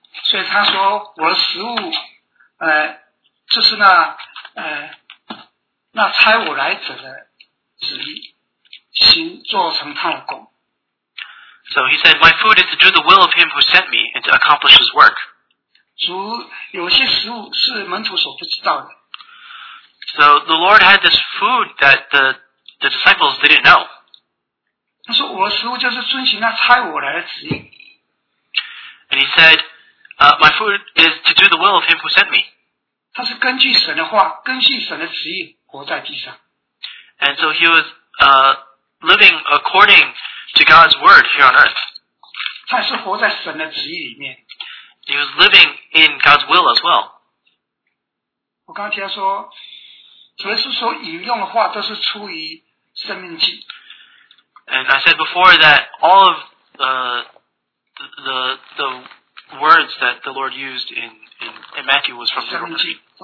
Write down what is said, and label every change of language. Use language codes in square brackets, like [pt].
[en] So he said, my food, [zh] 这是那那差我来者的旨意，行做成他的工。 [en] So he said, my food is to do the will of him who sent me and to accomplish his work. [zh] 主有些食物是门徒所不知道的。 [en] So the Lord had this food that the disciples didn't know. [zh] 他说我的食物就是遵行那差我来的旨意。 [en] And he said, my food is to do the will of him who sent me. [zh] 他是根据神的话，根据神的旨意活在地上。 [en] And so he was living according to God's word here on earth. [zh] 他是活在神的旨意里面。 [en] He was living in God's will as well. [zh] 我刚才说，主耶稣所引用的话都是出于《生命记》。 [en] And I said before that all of the words that the Lord used in Matthew was from Deuteronomy.